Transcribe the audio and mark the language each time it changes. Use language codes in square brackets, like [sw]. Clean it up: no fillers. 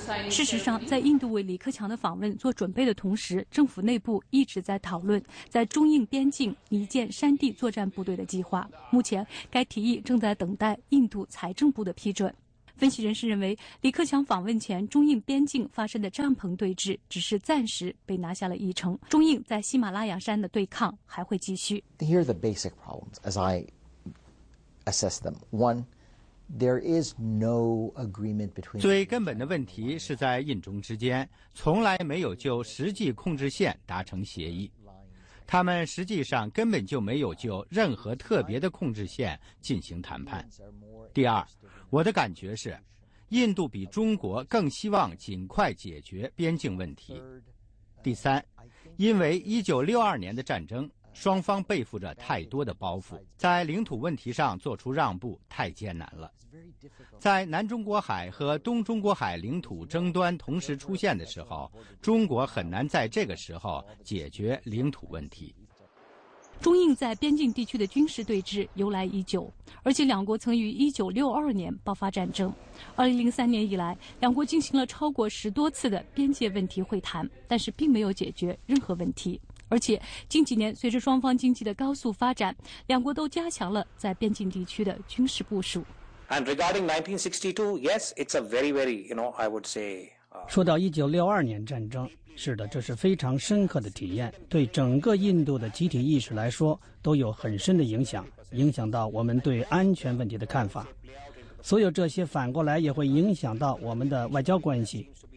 [zh] 事实上，在印度为李克强的访问做准备的同时，政府内部一直在讨论在中印边境拟建山地作战部队的计划。目前该提议正在等待印度财政部的批准。分析人士认为，李克强访问前中印边境发生的帐篷对峙只是暂时被拿下了一城，中印在喜马拉雅山的对抗还会继续。 [en] Here are the basic problems as I assess them. One, [zh] 最根本的问题是在印中之间，从来没有就实际控制线达成协议。他们实际上根本就没有就任何特别的控制线进行谈判。第二，我的感觉是，印度比中国更希望尽快解决边境问题。第三，因为1962年的战争，双方背负着太多的包袱，在领土问题上做出让步太艰难了。在南中国海和东中国海领土争端同时出现的时候，中国很难在这个时候解决领土问题。中印在边境地区的军事对峙由来已久，而且两国曾于1962年爆发战争。 2003年以来，两国进行了超过10多次的边界问题会谈，但是并没有解决任何问题。而且近几年随着双方经济的高速发展，两国都加强了在边境地区的军事部署。 [en] And regarding 1962, yes, it's a very, very, you know, I would say. [zh] 说到1962年战争，是的，这是非常深刻的体验，对整个印度的集体意识来说都有很深的影响，影响到我们对安全问题的看法。所有这些反过来也会影响到我们的外交关系。